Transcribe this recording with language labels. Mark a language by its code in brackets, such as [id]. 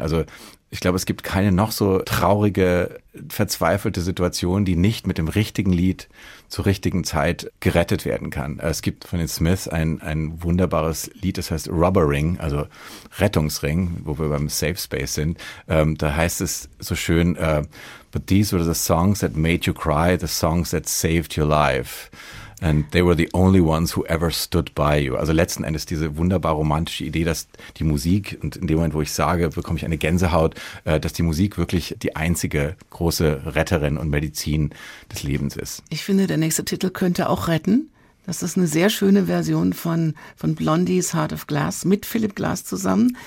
[de] Also ich glaube, es gibt keine noch so traurige, verzweifelte Situation, die nicht mit dem richtigen Lied zur richtigen Zeit gerettet werden kann. Es gibt von den Smiths ein wunderbares Lied, das heißt Rubber Ring, also Rettungsring, wo wir beim Safe Space sind. Da heißt es so schön, [en] but these were the songs that made you cry, the songs that saved your life. And they were the only ones who ever stood by you. [de] Also letzten Endes diese wunderbar romantische Idee, dass die Musik, und in dem Moment, wo ich sage, bekomme ich eine Gänsehaut, dass die Musik wirklich die einzige große Retterin und Medizin des Lebens ist. Ich finde, der nächste Titel könnte auch retten. Das ist eine sehr schöne Version von Blondies Heart of Glass mit Philip Glass zusammen.